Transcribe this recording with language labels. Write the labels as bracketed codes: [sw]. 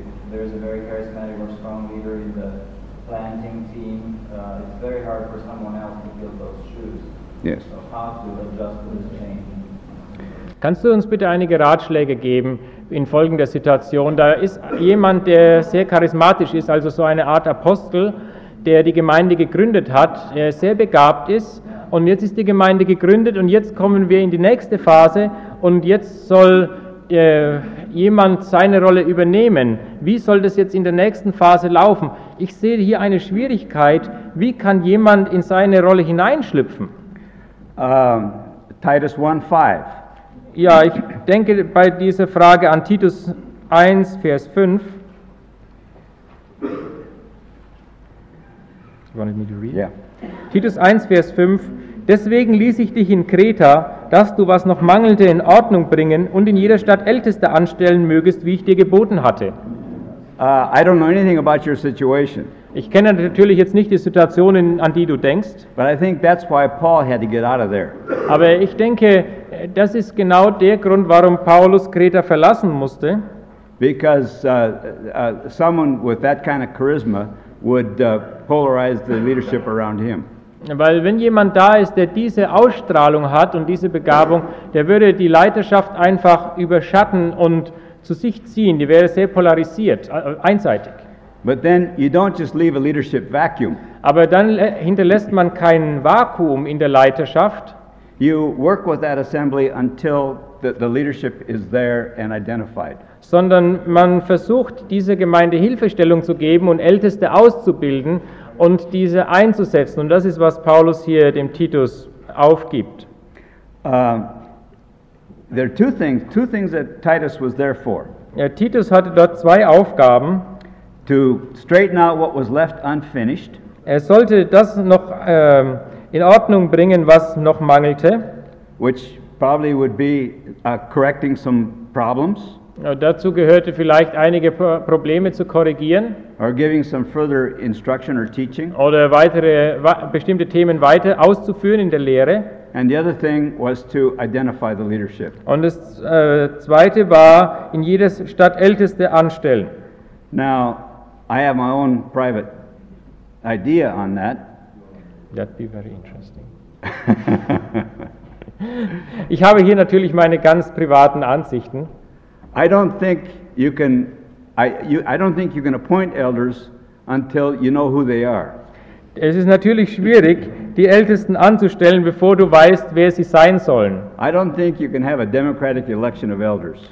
[en] there is a very charismatic or strong leader in the planting team, it's very hard for someone else to fill those shoes. Yes. So how to adjust to this change? [de] Kannst du uns bitte einige Ratschläge geben in folgender Situation? Da ist jemand, der sehr charismatisch ist, also so eine Art Apostel, der die Gemeinde gegründet hat, sehr begabt ist, und jetzt ist die Gemeinde gegründet und jetzt kommen wir in die nächste Phase und jetzt soll jemand seine Rolle übernehmen. Wie soll das jetzt in der nächsten Phase laufen? Ich sehe hier eine Schwierigkeit. Wie kann jemand in seine Rolle hineinschlüpfen? [en] Titus 1:5. [de] Ja, ich denke bei dieser Frage an Titus 1, Vers 5. [en] You wanted me to read? Yeah. [de] Titus 1, Vers 5. Deswegen ließ ich dich in Kreta, dass du was noch mangelte in Ordnung bringen und in jeder Stadt Älteste anstellen mögest, wie ich dir geboten hatte. [en] I don't know anything about your situation. [de] Ich kenne natürlich jetzt nicht die Situation, an die du denkst. [en] But I think that's why Paul had to get out of there. [de] Aber ich denke, das ist genau der Grund, warum Paulus Kreta verlassen musste. [en] Because someone with that kind of charisma would polarize the leadership around him. [de] Weil wenn jemand da ist, der diese Ausstrahlung hat und diese Begabung, der würde die Leiterschaft einfach überschatten und zu sich ziehen. Die wäre sehr polarisiert, einseitig. [en] But then you don't just leave a leadership vacuum. [de] Aber dann hinterlässt man kein Vakuum in der Leiterschaft. [en] You work with that assembly until the leadership is there and identified. [de] Sondern man versucht, dieser Gemeinde Hilfestellung zu geben und Älteste auszubilden und diese einzusetzen. Und das ist, was Paulus hier dem Titus aufgibt. [en] There are two things that Titus was there for. [de] Ja, Titus hatte dort zwei Aufgaben. [en] To straighten out what was left unfinished. [de] Er sollte das noch in Ordnung bringen, was noch mangelte. [en] Which probably would be correcting some problems. [de] Ja, dazu gehörte vielleicht einige Probleme zu korrigieren. [en] Or giving some further instruction or teaching. [de] Oder weitere bestimmte Themen weiter auszuführen in der Lehre. [en] And the other thing was to identify the leadership. [de] Und das zweite war, in jeder Stadt Älteste anstellen. [en] Now, I have my own private idea on that. That'd be very interesting. [de] Ich habe hier natürlich meine ganz privaten Ansichten. [en] I don't think you can appoint elders until you know who they are. [de] Es ist natürlich schwierig, die Ältesten anzustellen, bevor du weißt, wer sie sein sollen. [en] I don't think you can have a democratic election of elders.